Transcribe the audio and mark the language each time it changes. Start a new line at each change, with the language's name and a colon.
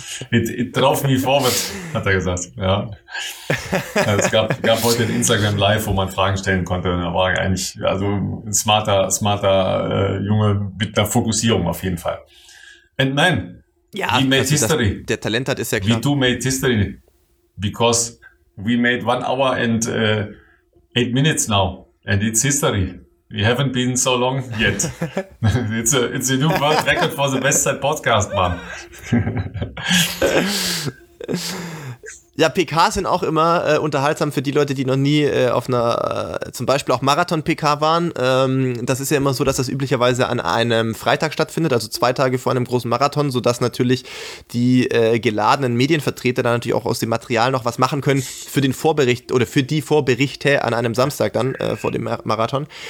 English: It drove me forward,
German: hat er gesagt. Ja. Es gab heute ein Instagram Live, wo man Fragen stellen konnte. Da war eigentlich also ein smarter Junge mit einer Fokussierung auf jeden Fall.
English: And man, he made history.
German: Der Talent hat, ist ja klar.
English: We too made history. Because we made 1 hour and 8 minutes now, and it's history. We haven't been so long yet. It's a new world record for the best side podcast, man.
German: Ja, PK sind auch immer unterhaltsam für die Leute, die noch nie auf einer, zum Beispiel auch Marathon-PK waren. Das ist ja immer so, dass das üblicherweise an einem Freitag stattfindet, also zwei Tage vor einem großen Marathon, sodass natürlich die geladenen Medienvertreter dann natürlich auch aus dem Material noch was machen können für den Vorbericht oder für die Vorberichte an einem Samstag dann vor dem Marathon.